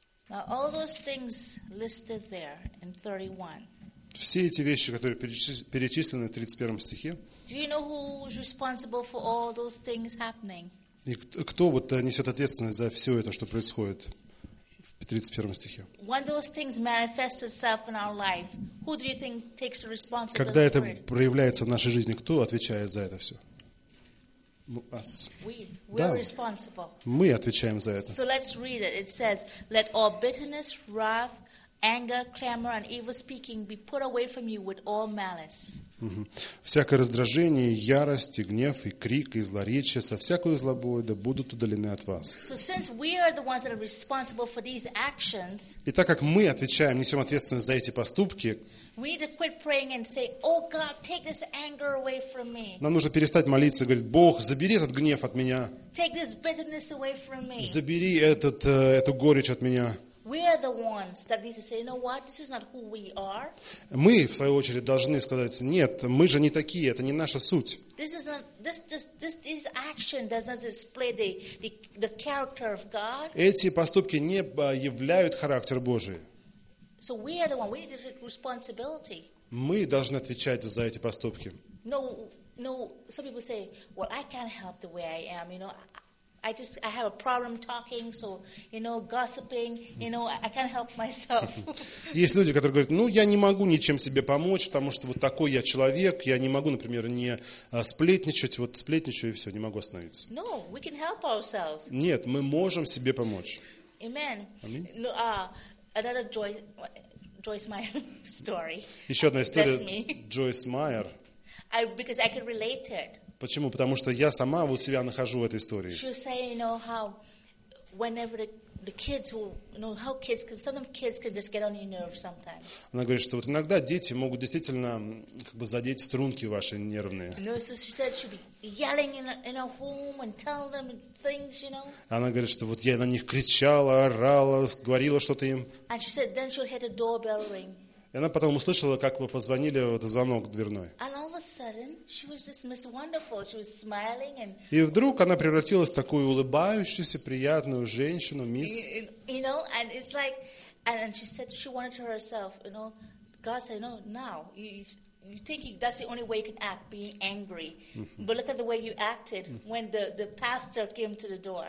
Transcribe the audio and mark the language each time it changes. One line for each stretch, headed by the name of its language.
English: Now all those things listed there in 31.
Russian: Все эти вещи, которые перечислены в 31 стихе.
English: Do you know who is responsible for all those things happening?
Russian: И кто вот несет ответственность за все это, что происходит в 31 стихе?
English: When those things manifest itself in our life, who do you think takes the responsibility?
Russian: Когда это проявляется в нашей жизни, кто отвечает за это все?
English: Us. We're responsible.
Russian: Мы отвечаем за это.
English: So let's read it. It says, "Let all bitterness, wrath, anger, clamor, and evil speaking be put away from you with all malice."
Russian: Всякое раздражение, ярость, и гнев, и крик, и злоречие со всякой злобой да будут удалены от вас.
English: So since we are the ones that are responsible for these actions,
Russian: и так как мы отвечаем, несем ответственность за эти поступки,
English: we need to quit praying and say, "Oh God, take this anger away from me."
Russian: Нам нужно перестать молиться и говорить: Бог, забери этот гнев от меня.
English: Take this bitterness away from me.
Russian: Забери этот эту горечь от меня.
English: We are the ones that need to say, "You know what? This is not who we are."
Russian: Мы в свою очередь должны сказать: нет, мы же не такие. Это не наша суть.
English: This action does not display the character of God.
Russian: Эти поступки не являют характер Божий.
English: So we are the one. We need to take responsibility.
Russian: Мы должны отвечать за эти поступки.
English: No. Some people say, "Well, I can't help the way I am. You know, I have a problem talking. So, you know, gossiping. You know, I can't help myself."
Russian: Есть люди, которые говорят: "Ну, я не могу ничем себе помочь, потому что вот такой я человек. Я не могу, например, не сплетничать. Вот сплетничаю и все, не могу остановиться."
English: No, we can help ourselves.
Russian: Нет, мы можем себе помочь.
English: Amen.
Russian: Аминь.
English: No, another Joyce Meyer story.
Russian: Еще одна история Joyce Meyer.
English: Because I can relate it.
Russian: Почему? Потому что я сама вот себя нахожу в этой истории.
English: She was saying, you know, how whenever the kids will, you know, how kids can, some of kids can just get on your nerves sometimes.
Russian: Она говорит, что вот иногда дети могут действительно как бы задеть струнки ваши нервные.
English: No, so she said she'd be yelling in a home and tell them things, you know.
Russian: Она говорит, что вот я на них кричала, орала, говорила что-то им.
English: And she said then she'll hear the doorbell ring.
Russian: И она потом услышала, как вы позвонили в этот звонок дверной.
English: And all of a sudden she was just Miss Wonderful. She was smiling and.
Russian: И вдруг она превратилась в такую улыбающуюся приятную женщину, мисс.
English: You know, and it's like, and she said she wanted to herself, you know, God said, "No, now you think that's the only way you can act, being angry. But look at the way you acted when the pastor came to the door."